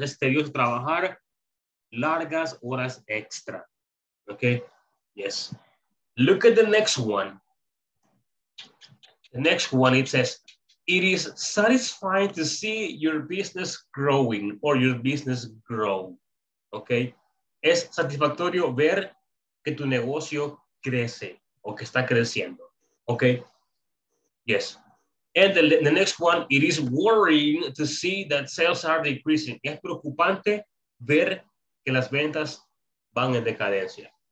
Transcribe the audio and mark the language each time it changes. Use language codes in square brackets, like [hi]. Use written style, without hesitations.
[es] Es tedioso trabajar largas horas extra. [en] Okay, yes. Look at the next one. The next one, it says, it is satisfying to see your business growing or your business grow. [es] Okay, es satisfactorio ver que tu negocio crece o que está creciendo. [en] Okay, yes. And the next one, it is worrying to see that sales are decreasing. [es] Es preocupante ver que las ventas van en decadencia.